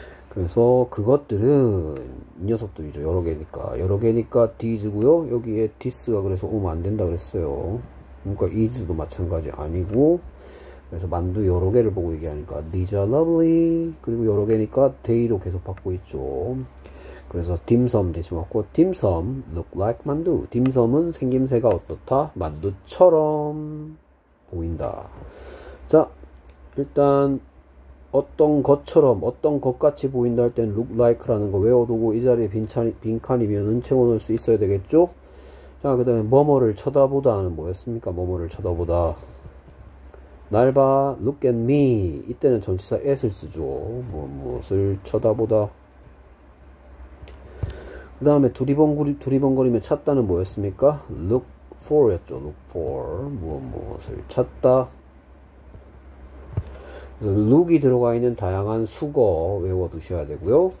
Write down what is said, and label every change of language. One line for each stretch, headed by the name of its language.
Korean: 그래서 그것들은 이 녀석들이죠. 여러 개니까. 여러 개니까 these고요. 여기에 this가 그래서 오면 안 된다 그랬어요. 그러니까 is도 마찬가지 아니고, 그래서 만두 여러 개를 보고 얘기하니까
English: these are lovely.
Korean: 그리고 여러 개니까 they로 계속 바꾸고 있죠. 그래서 dim sum 대신 왔고, dim sum look like 만두. dim sum은 생김새가 어떻다? 만두처럼 보인다. 자, 일단 어떤 것처럼 어떤 것 같이 보인다 할땐 look like라는 거 외워두고 이 자리에 빈칸이면 은챙어 놓을 수 있어야 되겠죠? 자, 그 다음에 뭐뭐를 쳐다보다는 뭐였습니까? 뭐뭐를 쳐다보다. 날 봐,
English: look at me.
Korean: 이때는 전치사 at을 쓰죠. 뭐 무엇을 쳐다보다. 그 다음에 두리번거리며 찾다는 뭐였습니까? look for였죠. look for. 무엇을 찾다. 그래서 룩이 들어가 있는 다양한 수거 외워두셔야 되고요.